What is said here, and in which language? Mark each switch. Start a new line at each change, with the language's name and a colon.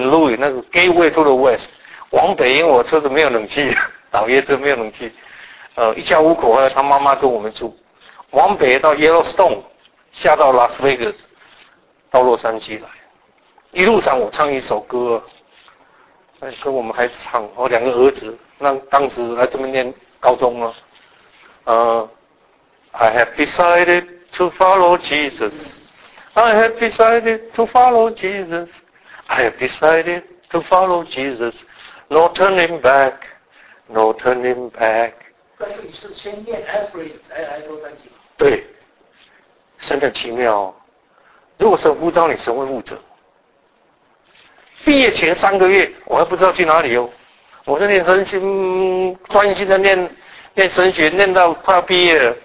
Chinese: Louis 那个 Gateway to the West 往北，因为我车子没有冷气，老爷车没有冷气，一家五口和他妈妈跟我们住，往北到 Yellowstone 下到 Las Vegas 到洛杉矶来，一路上我唱一首歌，跟我们孩子唱，我两个儿子那当时来这边念高中了，
English: I have decided to follow Jesus. I have decided to follow Jesus. I have decided to follow Jesus. No turning back. No turning back.
Chinese: 但是你是先念 Everett 才来洛杉矶。对，神的奇妙。如果神呼召你，神会负责。毕业前3个月，我还不知道去哪里哦。我在念神学，专心的念念神学，念到快要毕业了。